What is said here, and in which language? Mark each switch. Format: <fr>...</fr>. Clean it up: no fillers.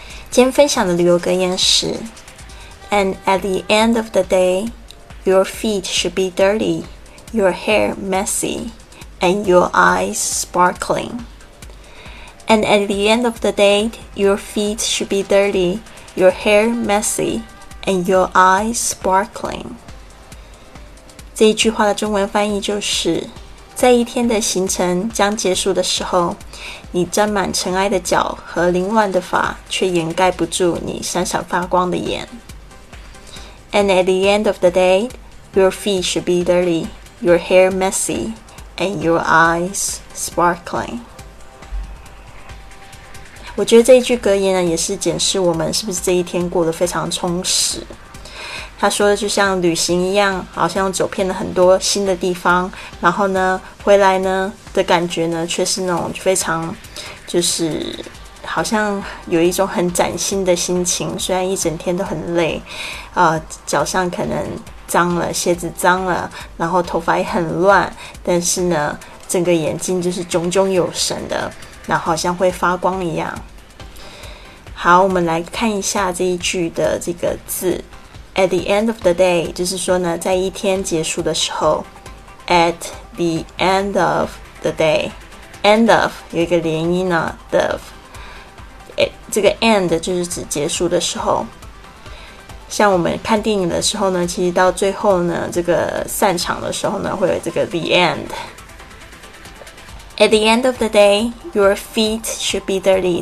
<zh>天分享的旅游格言是</zh> <en>And at the end of the day, your feet should be dirty, your hair messy, and your eyes sparkling. And at the end of the day, your feet should be dirty, your hair messy, and your eyes sparkling.</en> <zh>这一句话的中文翻译就是在一天的行程将结束的时候，你沾满尘埃的脚和凌乱的发却掩盖不住你闪闪发光的眼。</zh> <en>And at the end of the day, your feet should be dirty, your hair messy, and your eyes sparkling.</en> <zh>我觉得这一句格言呢，也是检视我们是不是这一天过得非常充实。他说的就像旅行一样，好像走遍了很多新的地方，然后呢回来呢的感觉呢却是那种非常就是好像有一种很崭新的心情，虽然一整天都很累，脚上可能脏了，鞋子脏了，然后头发也很乱，但是呢整个眼睛就是炯炯有神的，然后好像会发光一样。好，我们来看一下这一句的这个字。</zh> <en>At the end of the day,</en> <zh>就是说呢，在一天结束的时候 ，</zh> <en>at the end of the day,</en> <zh>end of 有一个连音呢 ，of， 这个 end 就是指结束的时候。像我们看电影的时候呢，其实到最后呢，这个散场的时候呢，会有这个 the end。</zh> <en>At the end of the day, your feet should be dirty.</en>